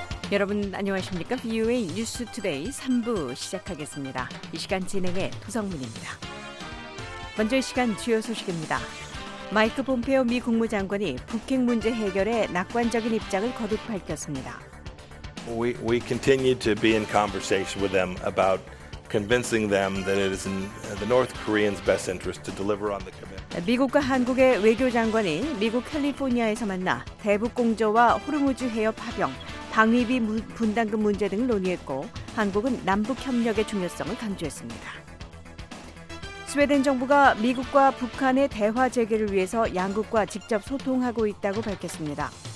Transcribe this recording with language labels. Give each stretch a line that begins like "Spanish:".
Korean: 여러분 안녕하십니까? VOA News Today 3부 시작하겠습니다. 이 시간 진행의 도성민입니다. 먼저 이 시간 주요 소식입니다. 마이크 폼페오 미 국무장관이 북핵 문제 해결에 낙관적인 입장을 거듭 밝혔습니다.
English: We continue to be in conversation with them about convincing them that it is in the North Koreans' best interest to deliver on the commitment.
Korean: 미국과 한국의 외교 장관이 미국 캘리포니아에서 만나 대북 공조와 호르무즈 해협 파병, 방위비 분담금 문제 등을 논의했고 한국은 남북 협력의 중요성을 강조했습니다. 스웨덴 정부가 미국과 북한의 대화 재개를 위해서 양국과 직접 소통하고 있다고 밝혔습니다.